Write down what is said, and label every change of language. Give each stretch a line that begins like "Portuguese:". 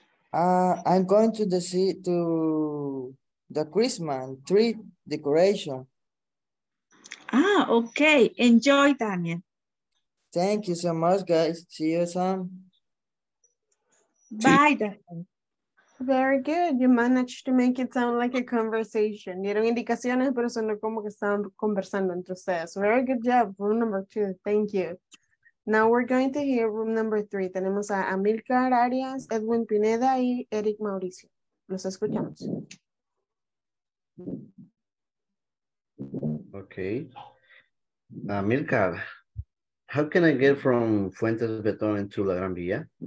English: I'm going to the Christmas tree decoration. Ah, okay. Enjoy, Daniel. Thank you so much, guys. See you soon. Bye, Daniel. Very good. You managed to make it sound like a conversation.
Spanish: Dieron indicaciones, pero sonó como que estaban conversando entre ustedes.
English: Very good job, room number two. Thank you. Now we're going to hear room number three.
Spanish: Tenemos a Amilcar Arias, Edwin Pineda y Eric Mauricio. Los escuchamos.
English: Okay. Amilcar, how can I get from Fuentes Beton to La Gran Vía?